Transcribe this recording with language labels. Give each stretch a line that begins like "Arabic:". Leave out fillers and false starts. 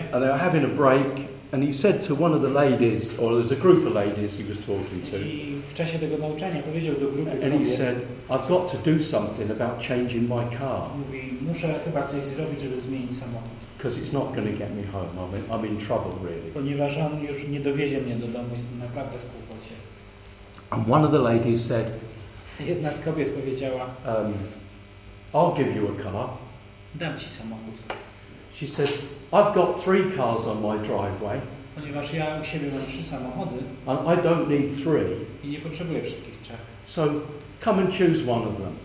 English: And they were having a break, and he said to one of the ladies, or there was a group of ladies he was talking to.
Polish: I w czasie tego nauczania powiedział do grupy.
English: And he said, I've got to do something about changing my car.
Polish: Mówi, muszę chyba coś zrobić, żeby zmienić samochód.
English: Because it's not going to get me home. I'm in trouble, really.
Polish: Ponieważ on już nie dowiezie mnie do domu, jestem naprawdę w kłopocie.
English: And one of the ladies said,
Polish: jedna z kobiet powiedziała,
English: I'll give you a car.
Polish: Dam ci samochód.
English: She said, I've got 3 cars on my driveway.
Polish: Ponieważ ja u siebie mam 3 samochody.
English: And I don't need 3.
Polish: I nie potrzebuję wszystkich 3.
English: So come and choose one of them.